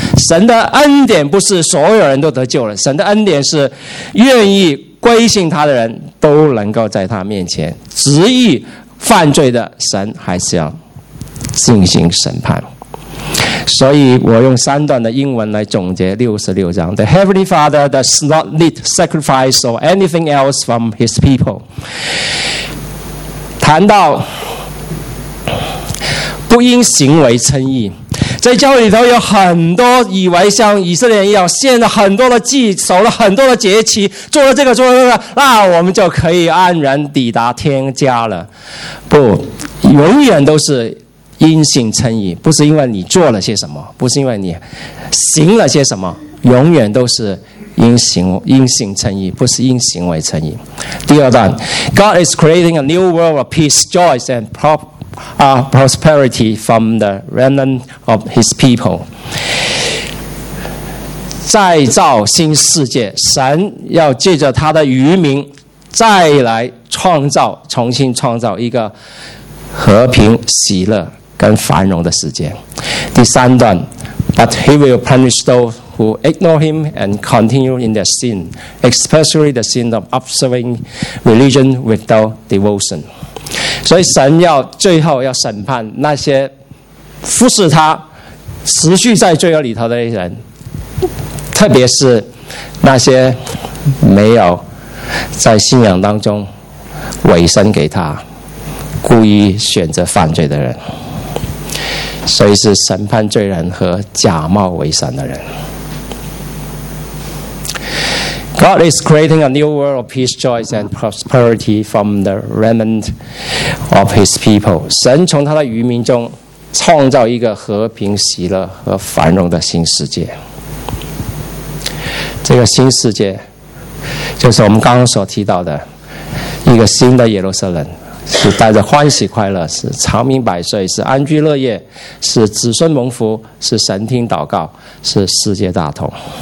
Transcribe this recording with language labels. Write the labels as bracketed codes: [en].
[zh] 神的恩典不是所有人都得救了，神的恩典是愿意归信他的人都能够在他面前，执意犯罪的神还是要进行审判。所以我用三段的英文来总结66章。 [en] The Heavenly Father does not need sacrifice or anything else from his people。 [zh] 谈到不因行为称义，在教会里头有很多以为像以色列人一样献了很多的祭，守了很多的节期，做了这个做了那个，那我们就可以安然抵达天家了。不，永远都是因信称义，不是因为你做了些什么，不是因为你行了些什么，永远都是因信称义，不是因行为称义。第二段 [en] God is creating a new world of peace, joy and prosperity from the remnant of his people。 [zh] 再造新世界，神要借着他的余民再来创造，重新创造一个和平喜乐跟繁荣的世界。第三段 [en] But he will punish those who ignore him and continue in their sin, especially the sin of observing religion without devotion。 [zh] 所以神要最后要审判那些服侍他持续在罪恶里头的人，特别是那些没有在信仰当中委身给他，故意选择犯罪的人。所以是审判罪人和假冒为善的人。 [en] God is creating a new world of peace, joy and prosperity from the remnant of his people。 [zh] 神从他的渔民中创造一个和平喜乐和繁荣的新世界。这个新世界就是我们刚刚所提到的一个新的耶路撒冷，是带着欢喜快乐，是长命百岁，是安居乐业，是子孙蒙福，是神听祷告，是世界大同。